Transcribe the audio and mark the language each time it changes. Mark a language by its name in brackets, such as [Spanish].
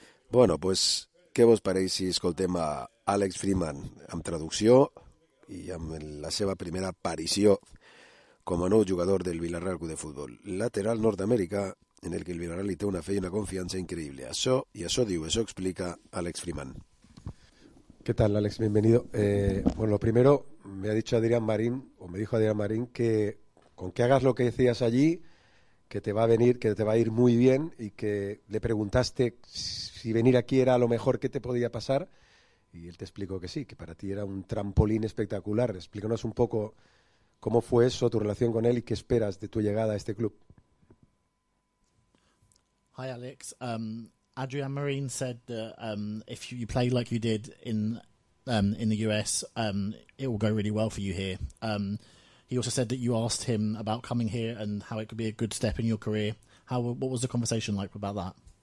[Catalan] Bueno, pues, què vos pareix si escoltem a Àlex Freeman amb traducció i amb la seva primera aparició com a nou jugador del Villarreal Club de Futbol. Lateral Nord-Amèrica, en el que el Villarreal li té una fe i una confiança increïble. Això, i això diu, això explica Àlex Freeman. [Spanish] ¿Qué tal, Àlex? Bienvenido. Bueno, lo primero, me ha dicho Adrián Marín, o me dijo Adrián Marín, que con que hagas lo que decías allí, que te va a venir, que te va a ir muy bien, y que le preguntaste si venir aquí era lo mejor que te podía pasar, y él te explicó que sí, que para ti era un trampolín espectacular. Explícanos un poco cómo fue eso, tu relación con él y qué esperas de tu llegada a este club. [English] Hi Alex, Adrian Marine said that if you play like you did in the US, it will go really well for you here. He also said that you asked him about coming here and how it could be a good step in your career. What was the conversation like about that?